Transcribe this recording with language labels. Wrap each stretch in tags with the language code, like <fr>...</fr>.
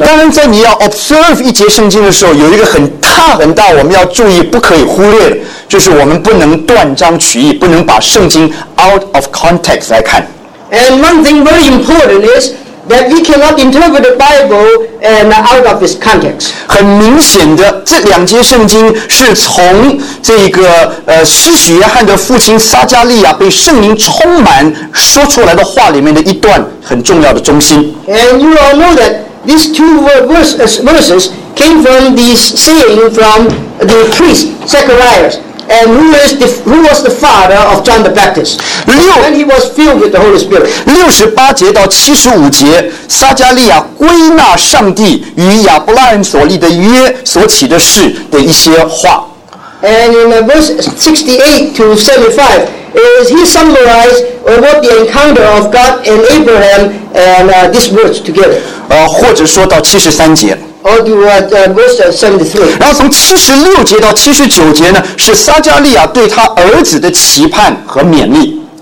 <zh>当然，在你要 observe 一节圣经的时候，有一个很大很大我们要注意、不可以忽略的，就是我们不能断章取义，不能把圣经</zh> <en>out of context</en> <zh>来看。</zh> <en>And one thing very important is. That we cannot interpret the Bible and out of its context.</en> <zh>很明显的，这两节圣经是从这个施洗约翰的父亲撒加利亚被圣灵充满说出来的话里面的一段很重要的中心。</zh> <en>And you all know that these two verses came from the saying from the priest Zacharias. And who was the father of John the Baptist? And he was filled with the Holy Spirit.</en> <zh>68-75节，撒加利亚归纳上帝与亚伯拉罕所立的约所起的事的一些话。</zh> <en>And in verse 68-75, he summarized what the encounter of God and Abraham and these words together.</en> <zh>或者说到73节。</zh> <en>Or do verse 73.</en> <zh>然后从76-79节呢，是撒加利亚对他儿子的期盼和勉励。</zh>